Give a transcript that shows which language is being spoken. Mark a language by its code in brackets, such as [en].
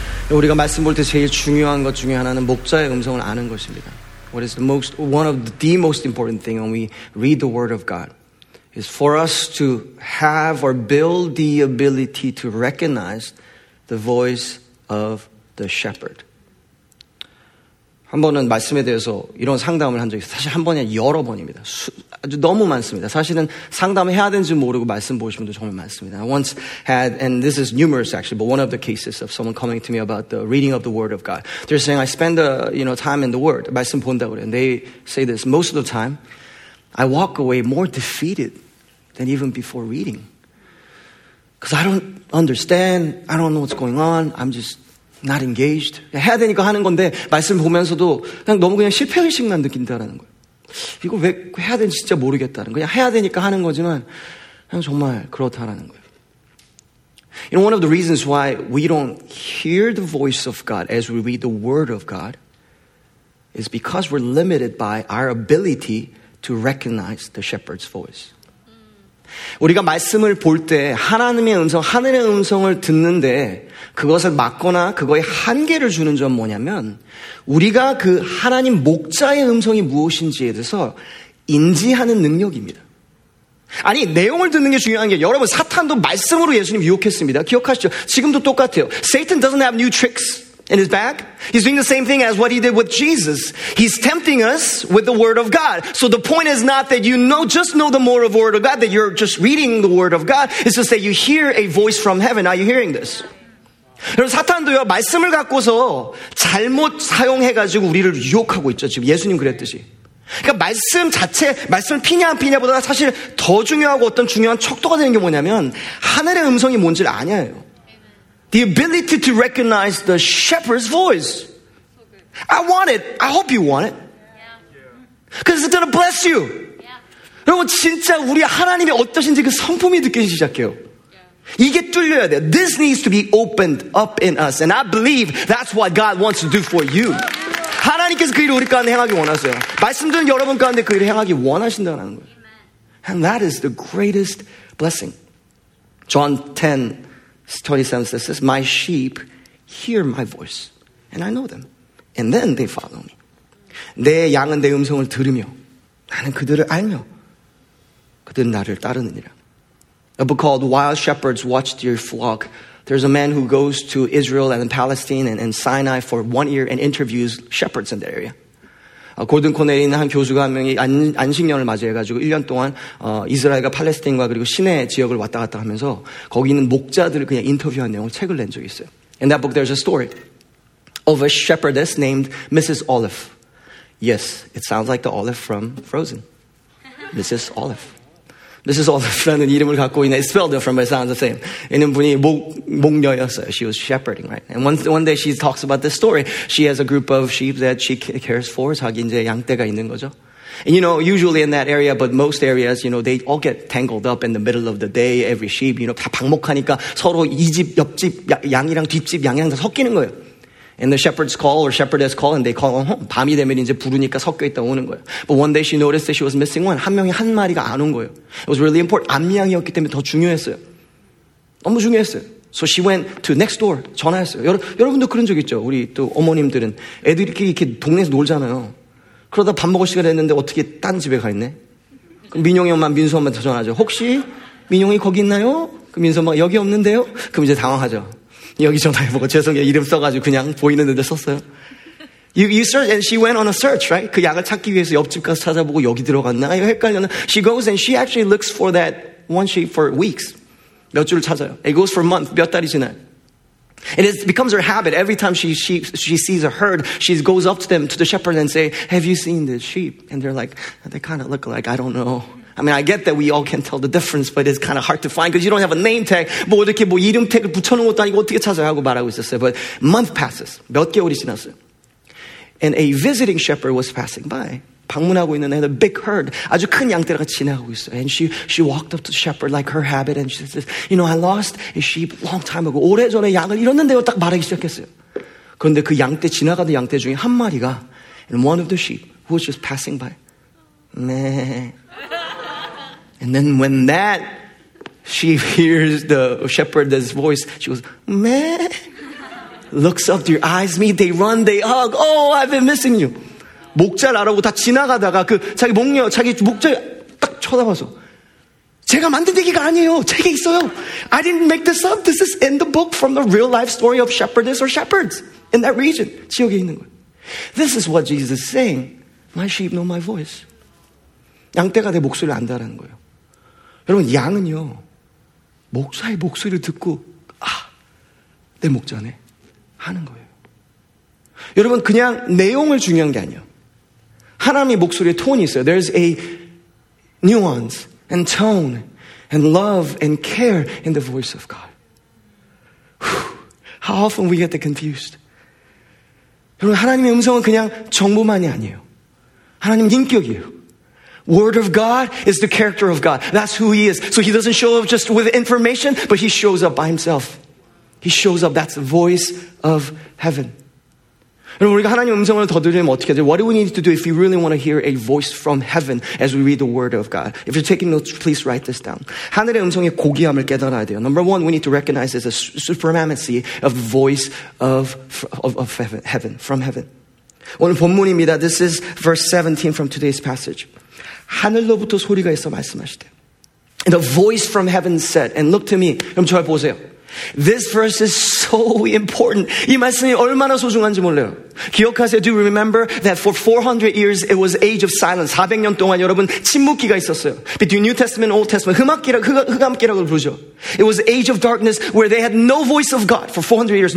[ko] 우리가 말씀 볼 때 제일 중요한 것 중에 하나는 목자의 음성을 아는 것입니다. [en] What is the most, one of the most important thing when we read the word of God is for us to have or build the ability to recognize the voice of the shepherd. [ko] 한 번은 말씀에 대해서 이런 상담을 한 적이 있어요. 사실 한 번이 아니라 여러 번입니다. 아주 너무 많습니다. 사실은 상담해야 되는지 모르고 말씀 보신 분도 정말 많습니다. [en] I once had, and this is numerous actually, but one of the cases of someone coming to me about the reading of the word of God. They're saying, I spend time in the word, [ko] 말씀 본다고 그래요. [en] And they say this, most of the time, I walk away more defeated than even before reading. Because I don't understand, I don't know what's going on, I'm just not engaged. [ko] 해야 되니까 하는 건데 말씀 보면서도 그냥 너무 그냥 실패 의식만 느낀다라는 거예요. 이거 왜 해야 되는지 진짜 모르겠다는 거예요. 그냥 해야 되니까 하는 거지만 그냥 정말 그렇다라는 거예요. [en] You know, one of the reasons why we don't hear the voice of God as we read the word of God is because we're limited by our ability to recognize the shepherd's voice. [ko] 우리가 말씀을 볼 때 하나님의 음성, 하늘의 음성을 듣는데 그것을 막거나 그거에 한계를 주는 점 뭐냐면 우리가 그 하나님 목자의 음성이 무엇인지에 대해서 인지하는 능력입니다. 아니 내용을 듣는 게 중요한 게 여러분 사탄도 말씀으로 예수님 유혹했습니다. 기억하시죠? 지금도 똑같아요. [en] Satan doesn't have new tricks in his bag. He's doing the same thing as what he did with Jesus. He's tempting us with the word of God. So the point is not that you know, just know the more of word of God, that you're just reading the word of God. It's just that you hear a voice from heaven. Are you hearing this? [ko] 여러분 사탄도요 말씀을 갖고서 잘못 사용해가지고 우리를 유혹하고 있죠. 지금 예수님 그랬듯이. 그러니까 말씀 자체, 말씀을 피냐 안 피냐보다 사실 더 중요하고 어떤 중요한 척도가 되는 게 뭐냐면 하늘의 음성이 뭔지를 아냐예요. [en] The ability to recognize the shepherd's voice. I want it. I hope you want it. Because it's going to bless you. [ko] 여러분 진짜 우리 하나님이 어떠신지 그 성품이 느껴지기 시작해요. 이게 뚫려야 돼요. [en] This needs to be opened up in us. And I believe that's what God wants to do for you. [ko] 하나님께서 그 일을 우리 가운데 행하기 원하세요. 말씀드린 여러분 가운데 그 일을 행하기 원하신다는 거예요. [en] And that is the greatest blessing. John 10, 27 says this, My sheep hear my voice, and I know them. And then they follow me. [ko] 내 양은 내 음성을 들으며, 나는 그들을 알며, 그들은 나를 따르느니라. [en] A book called Wild Shepherds Watch Their Flock. There's a man who goes to Israel and Palestine and Sinai for 1 year and interviews shepherds in that area. [ko] 골든 코넬에 있는 한 교수가 한 명이 안식년을 맞이해가지고 1년 동안 이스라엘과 팔레스타인과 그리고 시내 지역을 왔다 갔다 하면서 거기 있는 목자들을 그냥 인터뷰한 내용을 책을 낸 적이 있어요. [en] In that book there's a story of a shepherdess named Mrs. Olive. Yes, it sounds like the Olive from Frozen. Mrs. Olive. This is all the friend [ko] 이름을 갖고 있는 [en] It's spelled different, but it sounds the same. [ko] 있는 분이 목녀였어요. [en] She was shepherding, right? And one day she talks about this story. She has a group of sheep that she cares for. [ko] 자기 이제 양떼가 있는 거죠. [en] And you know, usually in that area, but most areas, you know, they all get tangled up in the middle of the day. Every sheep, you know, [ko] 다 방목하니까 서로 이 집, 옆집, 양이랑 뒷집, 양이랑 다 섞이는 거예요. [en] And the shepherds call or shepherdess call and they call them home. [ko] 밤이 되면 이제 부르니까 섞여있다 오는 거예요. [en] But one day she noticed that she was missing one. [ko] 한 명이 한 마리가 안 온 거예요. [en] It was really important. [ko] 암양이었기 때문에 더 중요했어요. 너무 중요했어요. [en] So she went to next door. [ko] 전화했어요. 여러분도 그런 적 있죠. 우리 또 어머님들은. 애들이 이렇게 동네에서 놀잖아요. 그러다 밥 먹을 시간 됐는데 어떻게 딴 집에 가 있네? 그럼 민용이 엄마, 민수 엄마한테 전화하죠. 혹시 민용이 거기 있나요? 그럼 민수 엄마가 여기 없는데요? 그럼 이제 당황하죠. 여기 전화해보고 죄송해요 이름 써가지고 그냥 보이는 데 썼어요. [en] You search and she went on a search, right? [ko] 그 약을 찾기 위해서 옆집 가서 찾아보고 여기 들어갔나? 이거 헷갈렸나? [en] She goes and she actually looks for that one sheep for weeks. [ko] 몇 주를 찾아요. [en] It goes for a month, [ko] 몇 달이 지나요. [en] And it becomes her habit. Every time she sees a herd, she goes up to them, to the shepherd and say, Have you seen this sheep? And they're like, they kind of look like, I don't know. I mean, I get that we all can tell the difference, but it's kind of hard to find because you don't have a name tag. [ko] 뭐 이렇게 뭐 이름 태그 붙여놓은 것도 아니고 어떻게 찾아야 하고 말하고 있었어요. [en] But month passes. [ko] 몇 개월이 지났어요. [en] And a visiting shepherd was passing by. [ko] 방문하고 있는 애는 [en] big herd. [ko] 아주 큰 양떼가 지나가고 있어요. [en] And she walked up to the shepherd like her habit. And she says, you know, I lost a sheep long time ago. [ko] 오래전에 양을 잃었는데요. 딱 말하기 시작했어요. 그런데 그 양떼 지나가던 양떼 중에 한 마리가 [en] and one of the sheep who was just passing by. [ko] 네. [en] And then when that sheep hears the shepherd's voice, she goes, meh. looks up, their eyes meet, they run, they hug. Oh, I've been missing you. [ko] 목자를 알아보고 다 지나가다가 그 자기 목녀, 자기 목자 딱 쳐다봐서 제가 만든 얘기가 아니에요. 책에 있어요. [en] I didn't make this up. This is in the book from the real life story of shepherdess or shepherds in that region. [ko] 지역에 있는 거예요. [en] This is what Jesus is saying. My sheep know my voice. [ko] 양떼가 내 목소리를 안다라는 거예요. 여러분 양은요 목사의 목소리를 듣고 아 내 목자네 하는 거예요. 여러분 그냥 내용을 중요한 게 아니에요. 하나님의 목소리의 톤이 있어요. [en] There's a nuance and tone and love and care in the voice of God. How often we get confused. [ko] 여러분 하나님의 음성은 그냥 정보만이 아니에요. 하나님의 인격이에요. [en] Word of God is the character of God. That's who he is. So he doesn't show up just with information, but he shows up by himself. He shows up. That's the voice of heaven. [ko] 여러분, 우리가 하나님 음성을 더 들으려면 어떻게 해야 돼요? [en] What do we need to do if we really want to hear a voice from heaven as we read the word of God? If you're taking notes, please write this down. [ko] 하늘의 음성의 고귀함을 깨달아야 돼요. [en] Number one, we need to recognize there's a supremacy of voice of heaven, from heaven. [ko] 오늘 본문입니다. [en] This is verse 17 from today's passage. [ko] 하늘로부터 소리가 있어 말씀하시되. [en] And the voice from heaven said, and look to me. [ko] 그럼 저를 보세요. [en] This verse is so important. [ko] 이 말씀이 얼마나 소중한지 몰라요. 기억하세요. [en] Do you remember that for 400 years it was age of silence. [ko] 400년 동안 여러분 침묵기가 있었어요. [en] Between New Testament and Old Testament. [ko] 흑암기라고 부르죠. [en] It was age of darkness where they had no voice of God for 400 years.